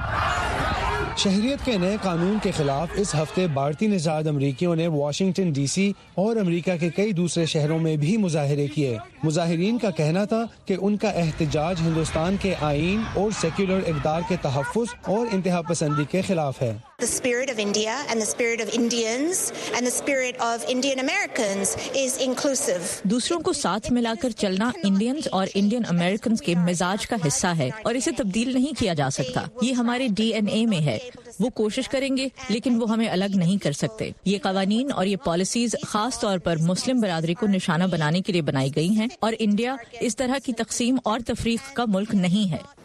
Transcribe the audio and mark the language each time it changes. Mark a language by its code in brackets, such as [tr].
[ur] شہریت کے نئے قانون کے خلاف اس ہفتے بھارتی نژاد امریکیوں نے واشنگٹن ڈی سی اور امریکہ کے کئی دوسرے شہروں میں بھی مظاہرے کیے. مظاہرین کا کہنا تھا کہ ان کا احتجاج ہندوستان کے آئین اور سیکولر اقدار کے تحفظ اور انتہا پسندی کے خلاف ہے. [en] The spirit of India and the spirit of Indians and the spirit of Indian Americans is inclusive. [ur] دوسروں کو ساتھ ملا کر چلنا Indians اور Indian Americans کے مزاج کا حصہ ہے, اور اسے تبدیل نہیں کیا جا سکتا. یہ ہمارے DNA میں ہے. وہ کوشش کریں گے لیکن وہ ہمیں الگ نہیں کر سکتے. یہ قوانین اور یہ پالیسیز خاص طور پر مسلم برادری کو نشانہ بنانے کے لیے بنائی گئی ہیں, اور انڈیا اس طرح کی تقسیم اور تفریق کا ملک نہیں ہے.